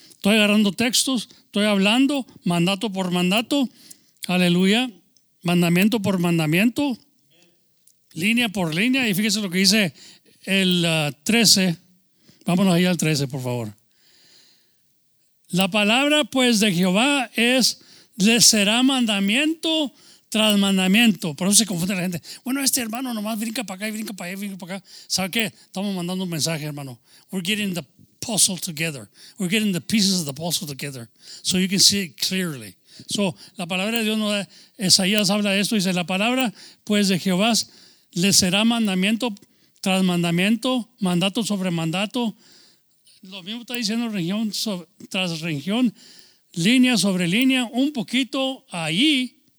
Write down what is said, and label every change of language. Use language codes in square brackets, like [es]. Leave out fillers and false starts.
[es] Estoy agarrando textos, estoy hablando, mandato por mandato, aleluya, mandamiento por mandamiento, línea por línea, y fíjese lo que dice el 13, vámonos ahí al 13, por favor. La palabra, pues, de Jehová es, le será mandamiento tras mandamiento. Por eso se confunde la gente. Bueno, este hermano nomás brinca para acá y brinca para allá y brinca para acá. ¿Sabe qué? Estamos mandando un mensaje, hermano. [en] We're getting the puzzle together. We're getting the pieces of the puzzle together so you can see it clearly. [es] So, la palabra de Dios, Isaías habla de esto, dice, la palabra, pues, de Jehová les será mandamiento tras mandamiento, mandato sobre mandato. Lo mismo está diciendo región tras región, línea sobre línea, un poquito ahí.